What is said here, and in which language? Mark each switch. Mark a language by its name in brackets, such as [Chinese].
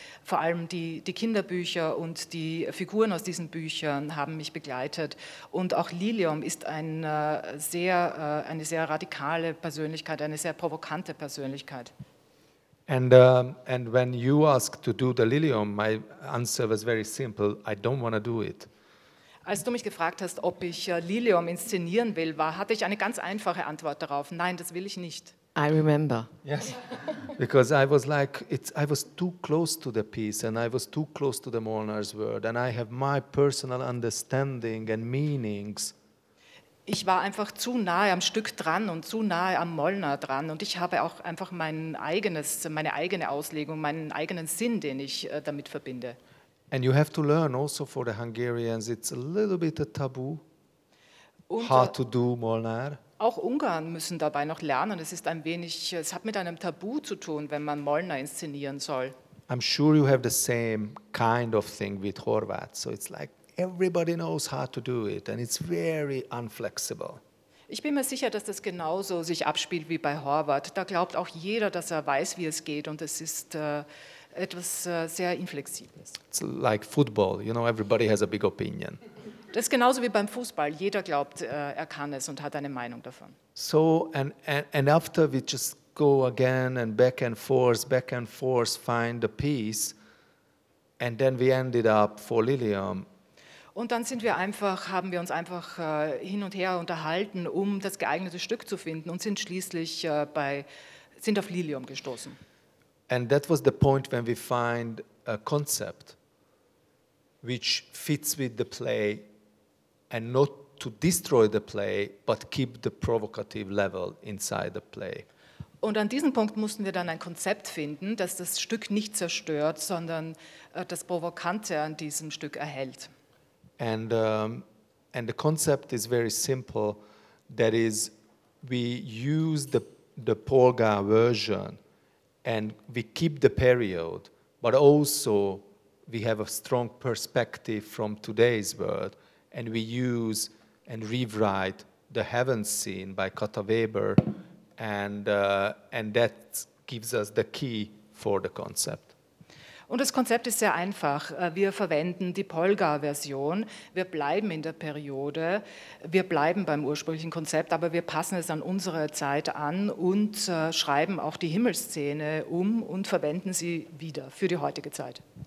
[German] Vor allem die Kinderbücher und die Figuren aus diesen Büchern haben mich begleitet. Und auch Lilium ist eine sehr radikale Persönlichkeit, eine sehr provokante Persönlichkeit. [English] And when you ask to do the Lilium, my answer was very simple: I don't want to do it. [German] Als du mich gefragt hast, ob ich Lilium inszenieren will, hatte ich eine ganz einfache Antwort darauf. Nein, das will ich nicht. [English] I remember. Yes. Because I was like, I was too close to the piece and I was too close to the Molnar's word and I have my personal understanding and meanings. [German] Ich war einfach zu nahe am Stück dran und zu nahe am Molnar dran und ich habe auch einfach meine eigene Auslegung, meinen eigenen Sinn, den ich damit verbinde. [English] And you have to learn also for the Hungarians, it's a little bit a taboo, und hard to do Molnar. [German] Auch Ungarn müssen dabei noch lernen, es hat mit einem Tabu zu tun, wenn man Molnar inszenieren soll. [English] I'm sure you have the same kind of thing with Horvath, so it's like everybody knows how to do it and it's very unflexible. [German] Ich bin mir sicher, dass das genauso sich abspielt wie bei Horvath. Da glaubt auch jeder, dass er weiß, wie es geht und es ist etwas sehr Inflexibles. [English] It's like football, you know, everybody has a big opinion. [German] Das ist genauso wie beim Fußball. Jeder glaubt, er kann es und hat eine Meinung davon. [English] So, and after we just go again and back and forth, find the peace, and then we ended up for Lilium. [German] Und dann haben wir uns einfach hin und her unterhalten, um das geeignete Stück zu finden und sind schließlich sind auf Lilium gestoßen. [English] And that was the point when we find a concept which fits with the play and not to destroy the play but keep the provocative level inside the play. [German] Und an diesem Punkt mussten wir dann ein Konzept finden, das das Stück nicht zerstört, sondern das Provokante an diesem Stück erhält. [English] And the concept is very simple, that is, we use the Polga version and we keep the period, but also we have a strong perspective from today's world and we use and rewrite the heaven scene by Kata Weber and that gives us the key for the concept. [German] Und das Konzept ist sehr einfach. Wir verwenden die Polga-Version, wir bleiben in der Periode, wir bleiben beim ursprünglichen Konzept, aber wir passen es an unsere Zeit an und schreiben auch die Himmelsszene um und verwenden sie wieder für die heutige Zeit.